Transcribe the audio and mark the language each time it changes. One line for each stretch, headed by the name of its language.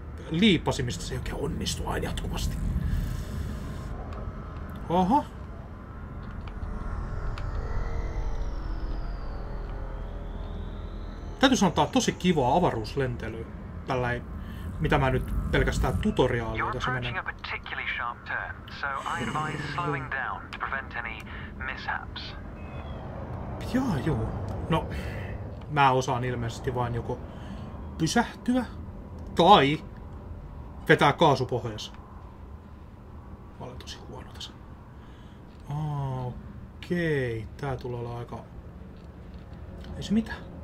Finnish: Liippasimista se ei oikein onnistu aina jatkuvasti. Oho. Täytyy sanoa, että tosi kivaa avaruuslentely. Tällä ei, mitä mä nyt pelkästään tutoriaalia tässä menen.
English: You're approaching a particularly sharp turn, so I advise slowing down to prevent any mishaps.
Finnish: Jaa, joo. No, mä osaan ilmeisesti vain joko pysähtyä tai vetää kaasu pohjassa. Mä olen tosi huono tässä. Okei, okay. Tää tulee olla aika... Ei se mitään.